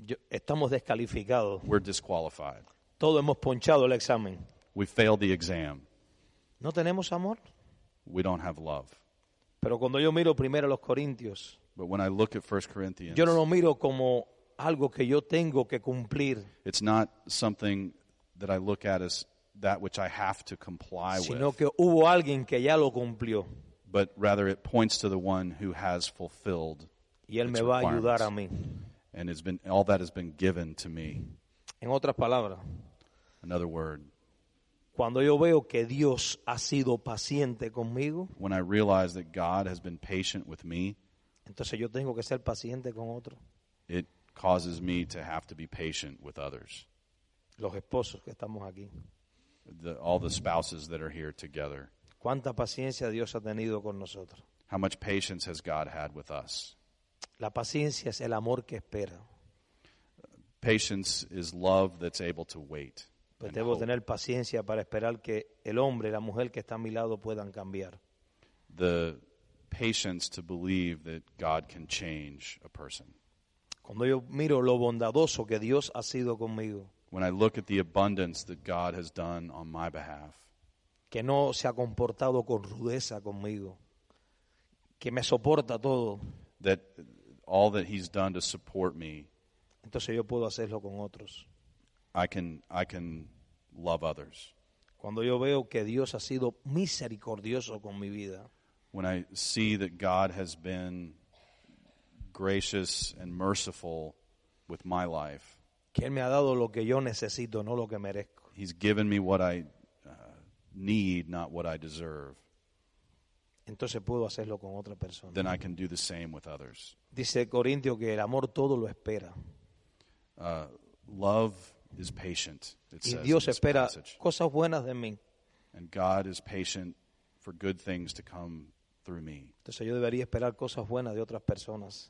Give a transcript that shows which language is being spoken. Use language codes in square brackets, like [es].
[es] Estamos descalificados. [en] We're disqualified. [es] Todos hemos ponchado el examen. [en] We failed the exam. [es] No tenemos amor. [en] We don't have love. [es] Pero cuando yo miro primero a los Corintios. [en] But when I look at 1 Corinthians. [es] Yo no lo miro como algo que yo tengo que cumplir. [en] It's not something that I look at as that which I have to comply [es] sino [en] with. [es] Sino que hubo alguien que ya lo cumplió. [en] But rather it points to the one who has fulfilled [es] y él me va a ayudar a mí. [en] And it's been, all that has been given to me. [es] En otras palabras. [en] Another word. [es] Cuando yo veo que Dios ha sido paciente conmigo. [en] When I realize that God has been patient with me. [es] Entonces yo tengo que ser paciente con otro. [en] It causes me to have to be patient with others. [es] Los esposos que estamos aquí. [en] All the spouses that are here together. [es] ¿Cuánta paciencia Dios ha tenido con nosotros? [en] How much patience has God had with us? [es] La paciencia es el amor que espera. [en] Patience is love that's able to wait. [es] Pues debo [en] hope. [es] Tener paciencia para esperar que el hombre y la mujer que está a mi lado puedan cambiar. [en] The patience to believe that God can change a person. [es] Cuando yo miro lo bondadoso que Dios ha sido conmigo. [en] When I look at the abundance that God has done on my behalf. [es] Que no se ha comportado con rudeza conmigo. Que me soporta todo. [en] That all that he's done to support me. [es] Entonces yo puedo hacerlo con otros. [en] I can love others. [es] Cuando yo veo que Dios ha sido misericordioso con mi vida. [en] when I see that God has been gracious and merciful with my life. [es] Quien me ha dado lo que yo necesito, no lo que merezco. [en] He's given me what I need, not what I deserve. [es] Entonces puedo hacerlo con otra persona. [en] Then I can do the same with others. [es] Dice Corintio que el amor todo lo espera. [en] Love is patient, it [es] y [en] says [es] Dios [en] in this [es] espera [en] passage. [es] Cosas buenas de mí. [en] And God is patient for good things to come through me. [es] Entonces yo debería esperar cosas buenas de otras personas.